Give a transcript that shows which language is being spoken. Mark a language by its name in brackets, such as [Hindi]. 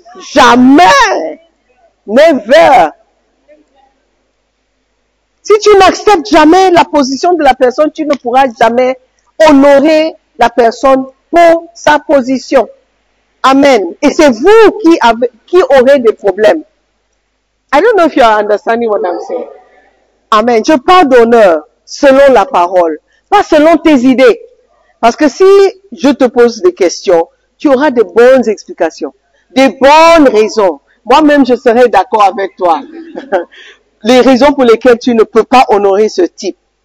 [French] Jamais. [English] Never. [French] Si tu n'acceptes jamais la position de la personne, tu ne pourras jamais honorer la personne pour sa position. Amen. Et c'est vous qui aurez des problèmes. [English] I don't know if you are understanding what I'm saying. [French] Amen. Je parle d'honneur selon la parole, pas selon tes idées. Parce que si je te pose des questions, tu auras de bonnes explications, des bonnes raisons. Moi-même, je serai d'accord avec toi. Les raisons pour lesquelles tu ne peux pas honorer ce type.